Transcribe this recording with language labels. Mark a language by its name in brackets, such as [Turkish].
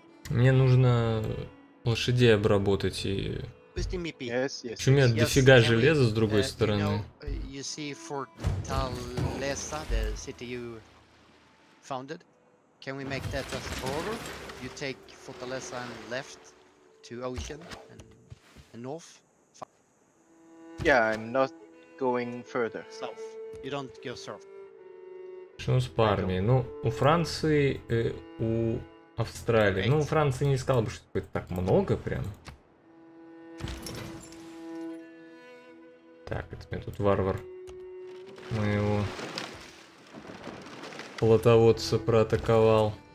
[Russian] Мне нужно лошадей обработать и... [English] Yes. [Russian] Почему нет, дофига железа с другой стороны? [English] You know, you see Fortaleza, the city you founded. Can we make that as border? You take Fortaleza and left to ocean and north. Yeah, I'm not going further south. You don't go south. [Russian] Почему с парами? Ну, у Франции, у Австралии. Ну, у Франции не сказал бы, что это так много прям. Так, это мне тут варвар моего плотоводца проатаковал.